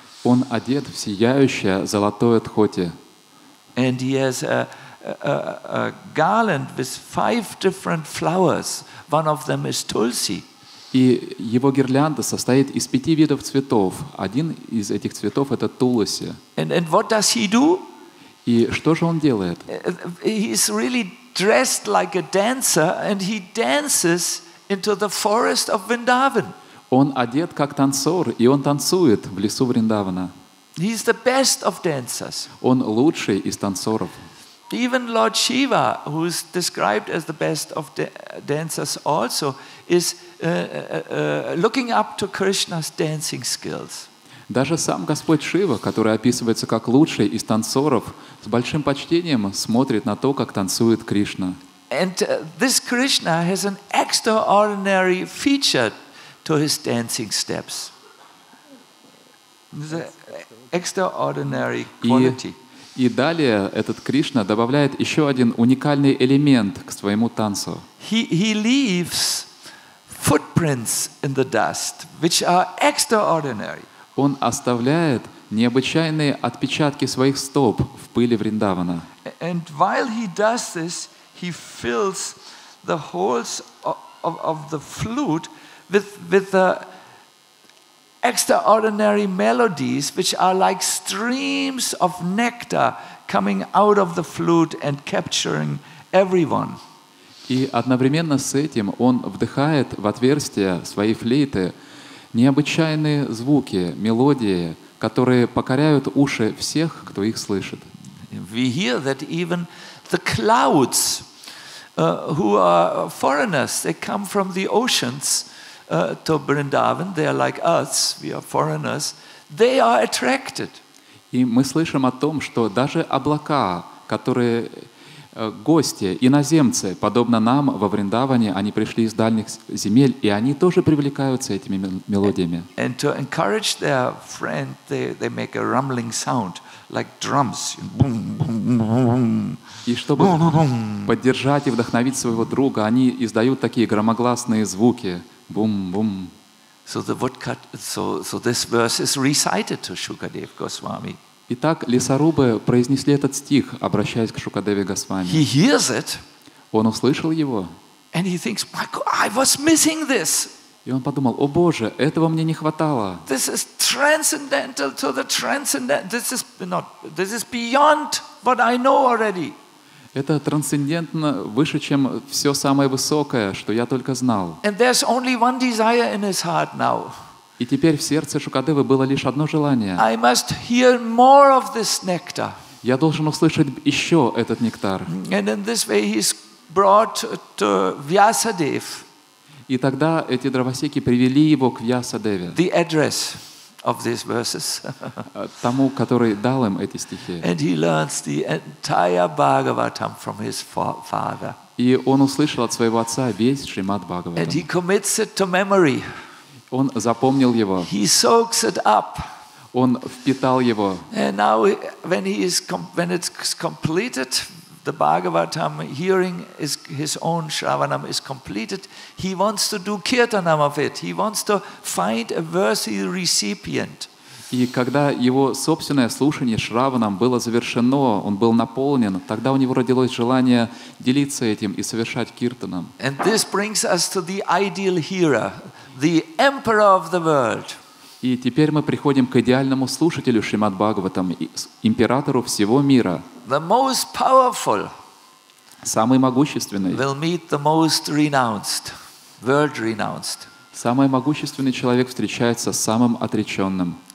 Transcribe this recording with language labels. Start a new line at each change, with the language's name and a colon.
Russian: Он одет в сияющее золотое дхоти.
English: And he has a garland with five different flowers. One of them is tulsi.
Russian: И его гирлянда состоит из пяти видов цветов. Один из этих цветов — это туласи.
English: And what does he do?
Russian: И что же он делает?
English: He's really dressed like a dancer, and he dances into the forest of Vrindavan.
Russian: Он одет как танцор, и он танцует в лесу Вриндавана.
English: He's the best of dancers.
Russian: Он лучший из танцоров.
English: Even Lord Shiva, who's described as the best of dancers also, is looking up to Krishna's dancing skills.
Russian: Даже сам Господь Шива, который описывается как лучший из танцоров, с большим почтением смотрит на то, как танцует Кришна.
English: And this Krishna has an extraordinary feature to his dancing steps. The extraordinary quality.
Russian: И далее этот Кришна добавляет еще один уникальный элемент к своему танцу.
English: He leaves footprints in the dust, which are extraordinary.
Russian: Он оставляет необычайные отпечатки своих стоп в пыли Вриндавана.
English: And while he does this, he fills the holes of the flute with the extraordinary melodies, which are like streams of nectar coming out of the flute and capturing everyone.
Russian: И одновременно с этим он вдыхает в отверстие своей флейты необычайные звуки, мелодии, которые покоряют уши всех, кто их слышит.
English: We hear that even the clouds, who are foreigners, they come from the oceans, to Vrindavan, they are like us, we are foreigners, they are attracted.
Russian: И мы слышим о том, что даже облака, которые гости, иноземцы, подобно нам во Вриндаване, они пришли из дальних земель, и они тоже привлекаются этими мелодиями.
English: And to encourage their friend, they make a rumbling sound, like drums. Boom, boom, boom.
Russian: И чтобы поддержать и вдохновить своего друга, они издают такие громогласные звуки. Бум-бум.
English: So this verse is recited to Shukadev Goswami.
Russian: Итак, лесорубы произнесли этот стих, обращаясь к Шукадеве Госвами.
English: He hears it.
Russian: Он услышал его.
English: And he thinks, my God, I was missing this.
Russian: И он подумал, о Боже, этого мне не хватало.
English: This is transcendental to the transcendent. This is beyond what I know already.
Russian: Это трансцендентно выше, чем все самое высокое, что я только знал.
English: And there's only one desire in his heart now.
Russian: И теперь в сердце Шукадевы было лишь одно желание.
English: I must hear more of this nectar.
Russian: Я должен услышать еще этот нектар.
English: And in this way he's brought to Vyasadev.
Russian: И тогда эти дровосеки привели его к Вьясадеве.
English: The address of these verses.
Russian: Тому, который дал им эти стихи.
English: And he learns the entire Bhagavatam from his father.
Russian: И он услышал от своего отца весь Шримад Бхагаватам.
English: And he commits it to memory.
Russian: Он запомнил его.
English: He soaks it up.
Russian: Он впитал его.
English: And now when it's completed, the Bhagavatam hearing is his own Shravanam is completed. He wants to do kirtanam of it. He wants to find a worthy recipient.
Russian: И когда его собственное слушание Шраванам было завершено, он был наполнен, тогда у него родилось желание делиться этим и совершать киртанам.
English: And this brings us to the ideal hearer, the emperor of the world.
Russian: И теперь мы приходим к идеальному слушателю Шримад Бхагаватам, императору всего мира.
English: The most powerful,
Russian: самый могущественный,
English: will meet the most renounced, world renounced.
Russian: Самый могущественный человек встречается с самым отреченным.